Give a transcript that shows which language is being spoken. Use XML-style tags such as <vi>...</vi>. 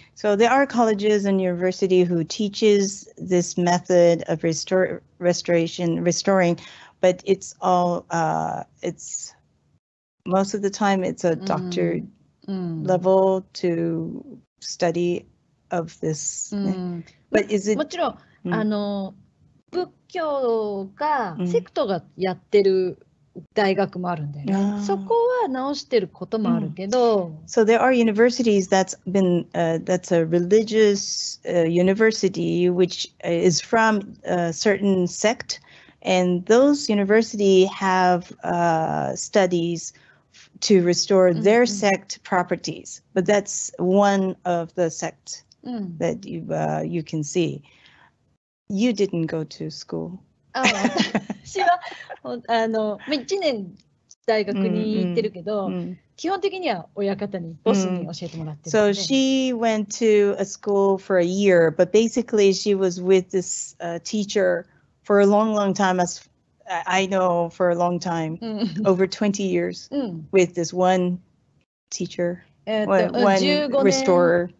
<en>、So there are colleges and university who teaches this method of restoring, but it's all, it's most of the time it's a doctor level to study of this. But is it?</en> <ja>もちろん、あの仏教がセクトがやってる。大学もあるんだよね。そこは直してることもあるけど。</ja> <en>So there are universities that's been, that's a religious university which is from a certain sect, and those university have studies to restore their sect properties. But that's one of the sect that you can see. You didn't go to school.</en> <ja>私はあの1年大学に行ってるけど、基本的には親方にボスに教えてもらってる。</ja> <en>So she went to a school for a year, but basically she was with this teacher for a long, long time, as I know for a long time, over 20 years with this one teacher, one restorer.</en>